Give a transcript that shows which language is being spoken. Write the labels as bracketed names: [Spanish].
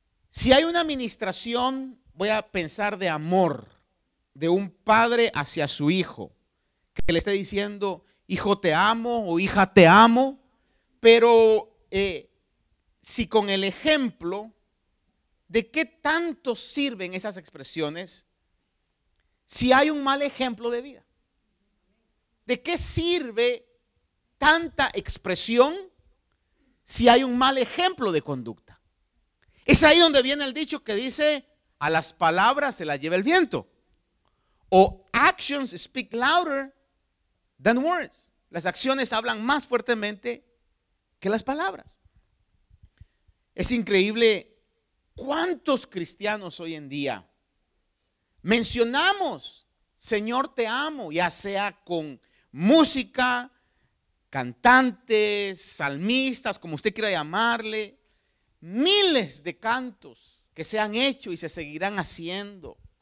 [Spanish] Si hay una administración, voy a pensar de amor, de un padre hacia su hijo, que le esté diciendo, hijo te amo o hija te amo, pero si con el ejemplo, ¿de qué tanto sirven esas expresiones si hay un mal ejemplo de vida? ¿De qué sirve tanta expresión si hay un mal ejemplo de conducta? Es ahí donde viene el dicho que dice, a las palabras se las lleva el viento. [English] O actions speak louder than words. [Spanish] Las acciones hablan más fuertemente que las palabras. Es increíble cuántos cristianos hoy en día mencionamos, Señor te amo, ya sea con música, cantantes, salmistas, como usted quiera llamarle, miles de cantos que se han hecho y se seguirán haciendo.